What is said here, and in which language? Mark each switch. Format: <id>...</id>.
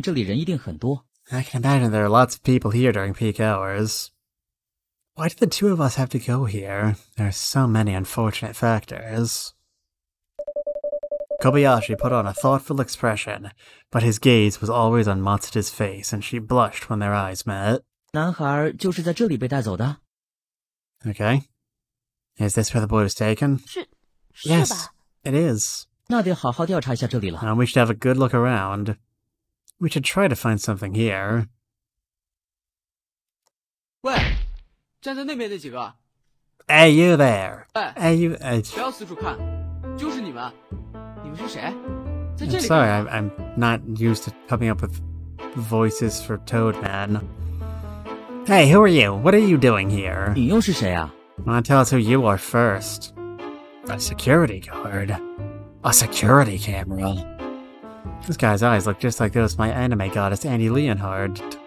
<en>I can imagine there are lots of people here during peak hours. Why did the two of us have to go here? There are so many unfortunate factors. Kobayashi put on a thoughtful expression, but his gaze was always on Matsuda's face, and she blushed when their eyes met.</en> <zh>男孩就是在这里被带走的?</zh> <en>Okay. Is this where the boy was taken?</en> <zh>是,</zh> <en>yes,</en> <zh>是吧?</zh> <en>It is.</en> <zh>那得好好调查一下这里了。</zh> <en>And we should have a good look around. We should try to find something here.</en> <zh>喂,站在那边的几个?</zh> <en>Hey, you there!</en> <zh>喂,</zh> <en>hey, you...</en> <zh>不要四处看,就是你们。你们是谁? 在这里看吗?</zh> <en>I'm sorry, I'm not used to coming up with voices for Toad Man. Hey, who are you? What are you doing here?</en> <zh>你又是谁啊?</zh> <en>Well, tell us who you are first. A security guard. A security camera. This guy's eyes look just like those of my anime goddess, Annie Leonhardt.</en>